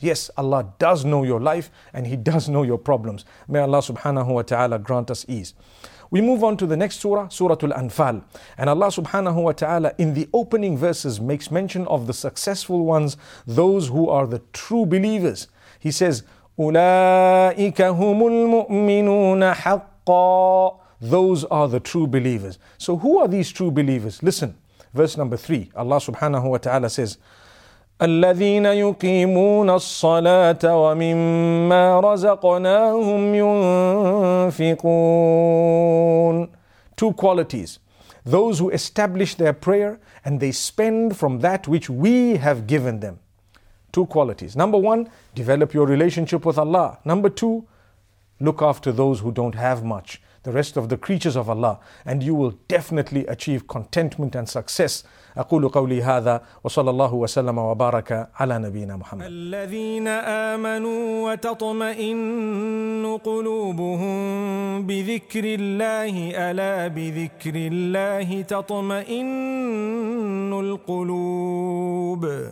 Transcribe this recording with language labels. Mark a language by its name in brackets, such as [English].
[English] Yes, Allah does know your life and He does know your problems. May Allah subhanahu wa ta'ala grant us ease. We move on to the next surah, Suratul Anfal. And Allah subhanahu wa ta'ala in the opening verses makes mention of the successful ones, those who are the true believers. He says, [Arabic] أُولَٰئِكَ هُمُ الْمُؤْمِنُونَ حَقَّا. [English] Those are the true believers. So who are these true believers? Listen, verse number 3, Allah subhanahu wa ta'ala says, [Arabic] الَّذِينَ يُقِيمُونَ الصَّلَاةَ وَمِمَّا رَزَقْنَاهُمْ يُنْفِقُونَ. [English] Two qualities. Those who establish their prayer and they spend from that which we have given them. Two qualities. Number one, develop your relationship with Allah. Number two, look after those who don't have much, the rest of the creatures of Allah, and you will definitely achieve contentment and success. [Arabic] أقول قولي هذا وصلى الله وسلم وبارك على نبينا محمد. الذين آمنوا وتطمئن قلوبهم بذكر الله ألا بذكر الله تطمئن القلوب.